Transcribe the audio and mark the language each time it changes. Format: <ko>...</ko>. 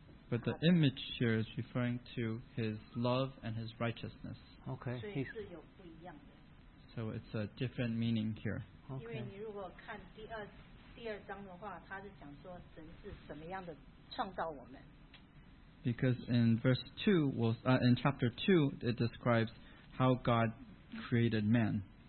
<en>But the image here is referring to his love and his righteousness. Okay.</en> <zh>所以是有不一样的。</zh> <en>So it's a different meaning here. Okay.</en> <zh>因为你如果看第二章的话，他是讲说神是什么样的创造我们。</zh> <en>Because in verse 2, in chapter 2, it describes how God created man.</en>